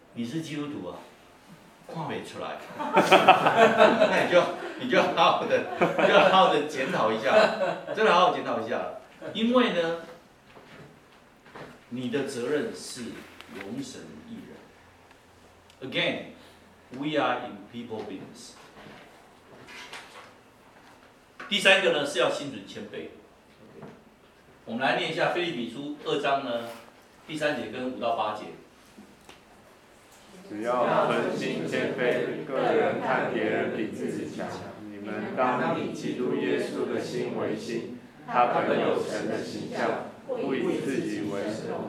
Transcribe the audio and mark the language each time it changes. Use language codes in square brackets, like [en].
[zh] 你是基督徒啊，看不出来，那你就好好的检讨一下，真的好好检讨一下，因为呢，你的责任是容神一人。 [en] Again, we are in people business。 [zh] 第三个呢是要心存谦卑。我们来念一下腓立比书2章3节跟5到8节。只要存心谦卑，个人看别人比自己强，你们当以基督耶稣的心为心，他本有神的形象，不以自己为神